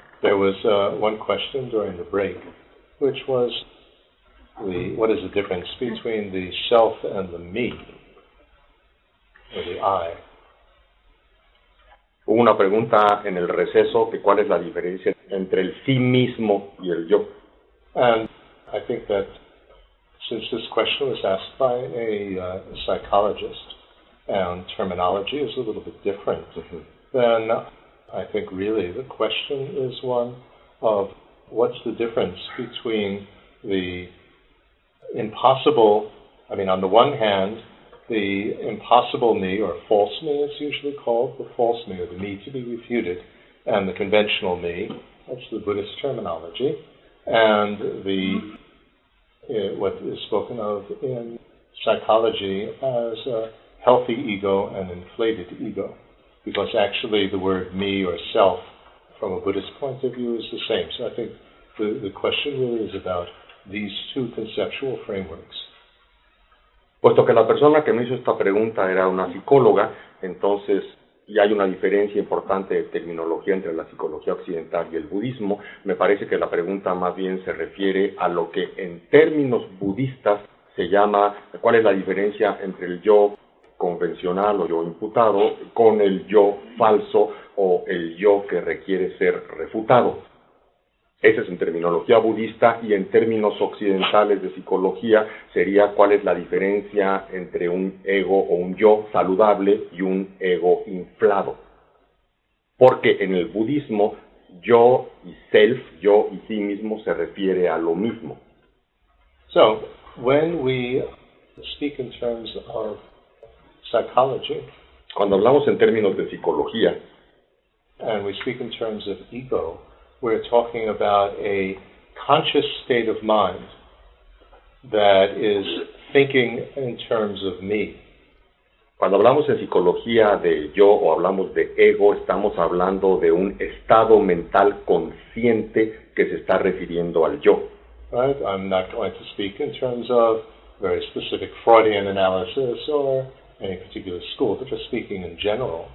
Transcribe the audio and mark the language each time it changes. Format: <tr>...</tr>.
<en>There was one question during the break, which was, what is the difference between the self and the me, or the I?</en> <es>Hubo una pregunta en el receso, que cuál es la diferencia entre el sí mismo y el yo.</es> <en>And I think that since this question was asked by a psychologist, and terminology is a little bit different, then I think really the question is one of what's the difference between the impossible, I mean, on the one hand, the impossible me, or false me, it's usually called, the false me, or the me to be refuted, and the conventional me, that's the Buddhist terminology, and the what is spoken of in psychology as a healthy ego and inflated ego, because actually the word me or self, from a Buddhist point of view, is the same. So I think the question really is about these two conceptual frameworks.</en> <es>Puesto que la persona que me hizo esta pregunta era una psicóloga, entonces ya hay una diferencia importante de terminología entre la psicología occidental y el budismo. Me parece que la pregunta más bien se refiere a lo que en términos budistas se llama, cuál es la diferencia entre el yo convencional o yo imputado con el yo falso o el yo que requiere ser refutado. Esa es en terminología budista, y en términos occidentales de psicología sería cuál es la diferencia entre un ego o un yo saludable y un ego inflado. Porque en el budismo, yo y self, yo y sí mismo, se refiere a lo mismo.</es> <en>So, when we speak in terms of psychology,</en> <es>cuando hablamos en términos de psicología,</es> <en>and we speak in terms of ego, we're talking about a conscious state of mind that is thinking in terms of me.</en> <es>Cuando hablamos en psicología de yo o hablamos de ego, estamos hablando de un estado mental consciente que se está refiriendo al yo.</es> <en>Right? I'm not going to speak in terms of very specific Freudian analysis or any particular school, but just speaking in general.</en>